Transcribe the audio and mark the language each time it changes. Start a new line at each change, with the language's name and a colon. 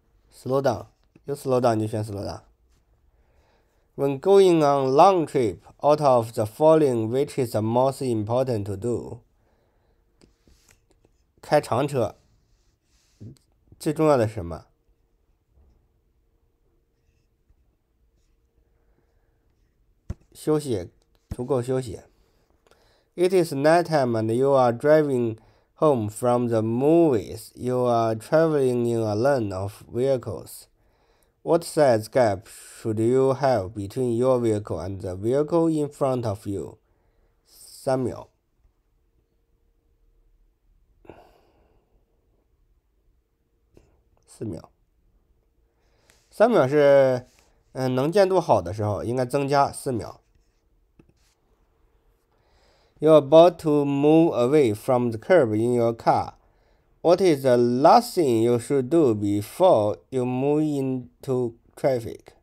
English: Slow down，
Chinese: 有
English: slow down
Chinese: 就选
English: slow down。When going on long trip out of the following, which is the most important to do？
Chinese: 开长车，最重要的是什么？休息，足够休息。
English: It is nighttime and you are driving home from the movies. You are traveling in a lane of vehicles. What size gap should you have between your vehicle and the vehicle in front of you?
Chinese: 3秒。 4秒。 3秒是，能见度好的时候，应该增加4秒。
English: You're about to move away from the curb in your car. What is the last thing you should do before you move into traffic?